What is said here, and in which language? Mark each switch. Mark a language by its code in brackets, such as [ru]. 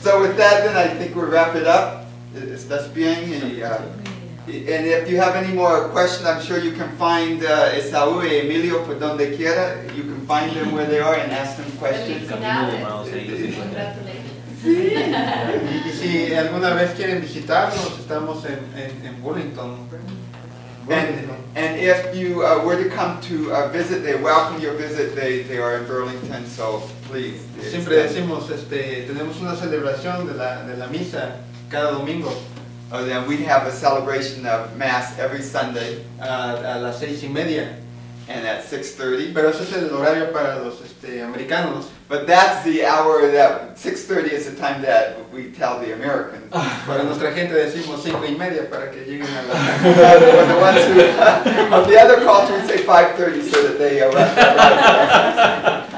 [en] So, with that, then I think we'll wrap it up. [es] ¿Estás bien? [en] And if you have any more questions, I'm sure you can find Esaú y Emilio [es] por donde quiera. [en] You can find them where they are and ask them questions. Congratulations. [es] Y si alguna vez quieren visitarnos, estamos en Burlington. [en] And if you were to come to visit, they welcome your visit. They are in Burlington, so please. [es] Siempre decimos, tenemos una celebración de la misa cada domingo. [en] Oh, then we have a celebration of Mass every Sunday. [es] A las 6:30. [en] And at 6:30. [es] Pero ese es el horario para los americanos. [en] But that's the hour that, 6:30 is the time that we tell the Americans. [es] Para nuestra gente decimos 5:30 para que lleguen a la... [en] But the ones who, of the other culture, we say 5:30 so that they arrive.